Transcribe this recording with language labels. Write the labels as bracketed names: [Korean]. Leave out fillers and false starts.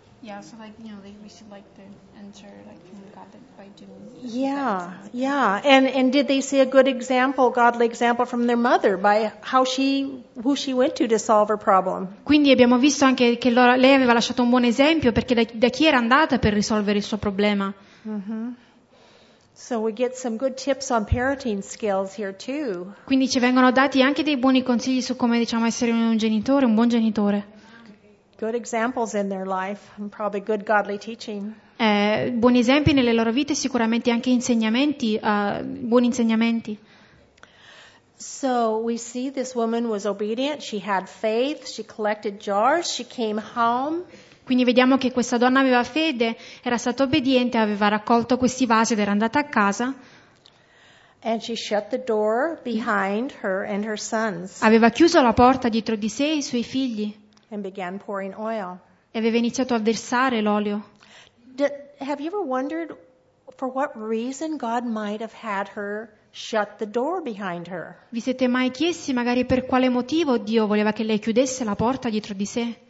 [English] Yeah, so like, you know, they received like the answer like from God by doing. Yeah, yeah. And did they see a good example, godly example from their mother by who she went to solve her problem? [Italian] Quindi abbiamo visto anche che lei aveva lasciato un buon esempio perché da chi era andata per risolvere il suo problema. Mm-hmm. [English] So we get some good tips on parenting skills here too. [Italian] Quindi ci vengono dati anche dei buoni consigli su come, diciamo, essere un genitore, un buon genitore. [English] Good examples in their life and probably good godly teaching. [Italian] Buoni esempi nelle loro vite, sicuramente anche insegnamenti, buoni insegnamenti. [English] So we see this woman was obedient, she had faith, she collected jars, she came home. [Italian] Quindi vediamo che questa donna aveva fede, era stata obbediente, aveva raccolto questi vasi ed era andata a casa. [English] And she shut the door behind her and her sons. [Italian] Aveva chiuso la porta dietro di sé e i suoi figli. [English] And began pouring oil. [Italian] E aveva iniziato a versare l'olio. [English] Have you ever wondered for what reason God might have had her shut the door behind her? [Italian] Vi siete mai chiesti magari per quale motivo Dio voleva che lei chiudesse la porta dietro di sé?